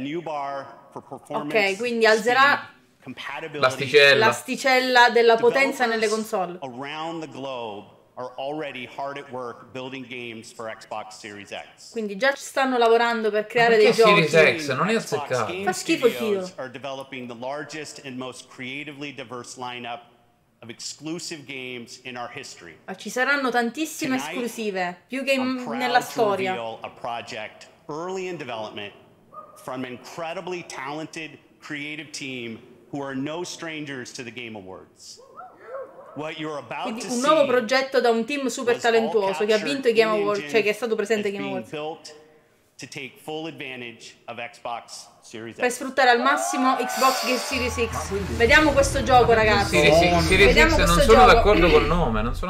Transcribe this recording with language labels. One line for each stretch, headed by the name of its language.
Italian: Ok, quindi alzerà l'asticella della potenza nelle console.
English: Around the globe are already hard at work building games for Xbox Series X.
Italian: Quindi già ci stanno lavorando per creare dei giochi. Series X non è azzeccato. Fa schifo, Dio.
English: Are developing the largest and most creatively diverse lineup of exclusive games in our history.
Italian: Ma ci saranno tantissime esclusive, più game nella storia.
English: A project early in development from incredibly talented creative team who are no strangers to the Game Awards. What you're about to see.
Italian: Quindi un nuovo progetto da un team super talentuoso che ha vinto i Game Awards, cioè che è stato presente ai Game Awards. Per sfruttare al massimo Xbox Series X. Vediamo questo gioco, ragazzi. Non sono d'accordo col nome.